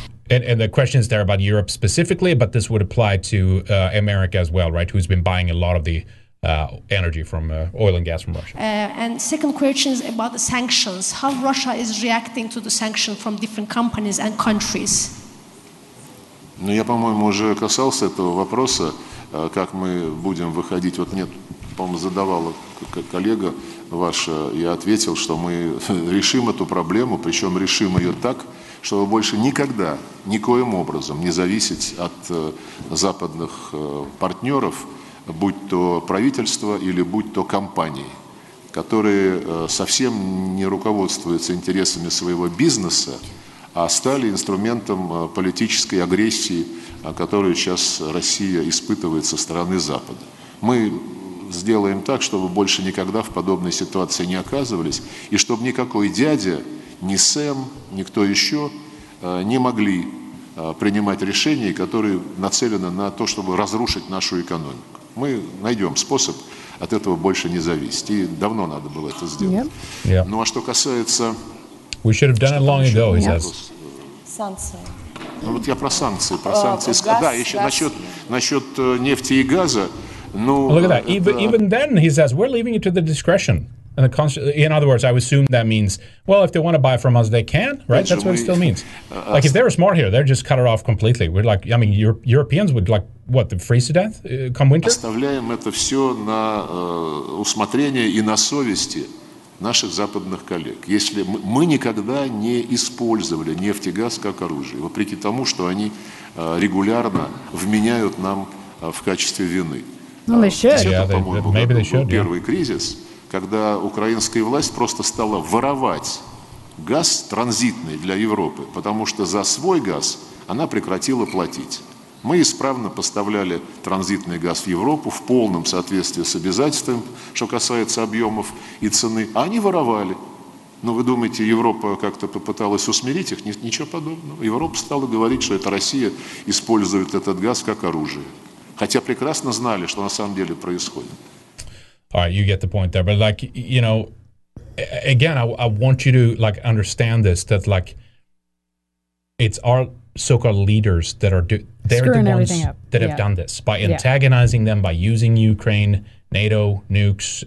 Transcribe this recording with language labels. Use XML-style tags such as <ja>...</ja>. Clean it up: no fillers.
<en>And the question is there about Europe specifically, but this would apply to America as well, right? Who's been buying a lot of the energy from oil and gas from Russia. And second question is about the sanctions. How Russia is reacting to the sanctions from different companies and countries?</en> <ru>Ну, я, по-моему, уже касался этого вопроса, как мы будем выходить. Вот мне, по-моему, задавала коллега ваша, я ответил, что мы решим эту проблему, причем решим ее так, чтобы больше никогда, никоим образом не зависеть от западных партнеров, будь то правительство или будь то компании, которые совсем не руководствуются интересами своего бизнеса, стали инструментом политической агрессии, которую сейчас Россия испытывает со стороны Запада. Мы сделаем так, чтобы больше никогда в подобной ситуации не оказывались, и чтобы никакой дядя, ни Сэм, никто еще не могли принимать решения, которые нацелены на то, чтобы разрушить нашу экономику. Мы найдем способ от этого больше не зависеть. И давно надо было это сделать.</ru> <en>Yeah. Yeah.</en> <ru>Ну а что касается...</ru> <en>We should have done it long ago, he says.</en> <ru>Санкции. Ну вот я про санкции. Про санкции. Да, еще насчет нефти и газа. Ну,</ru> <en>look at that. Even then, he says, we're leaving it to the discretion. In other words, I assume that means, well, if they want to buy from us, they can, right? That's what it still means. Like, if they were smart here, they'd just cut it off completely. We're like, I mean, Europeans would, like, what, freeze to death come winter?</en> <ru>Оставляем это все на усмотрение и на совести наших западных коллег. Если мы никогда не использовали нефть и газ как оружие, вопреки тому, что они регулярно вменяют нам в качестве вины.</ru> <en>Ну, they should. Yeah, maybe they should.</en> <ru>Первый кризис, когда украинская власть просто стала воровать газ транзитный для Европы, потому что за свой газ она прекратила платить. Мы исправно поставляли транзитный газ в Европу в полном соответствии с обязательством, что касается объемов и цены, а они воровали. Но вы думаете, Европа как-то попыталась усмирить их? Ничего подобного. Европа стала говорить, что это Россия использует этот газ как оружие. Хотя прекрасно знали, что на самом деле происходит.</ru> <en>All right, you get the point there. But, like, you know, again, I want you to, like, understand this, that, like, it's our so-called leaders that are they're screwing the ones up. That have done this by antagonizing them, by using Ukraine, NATO, nukes.</en>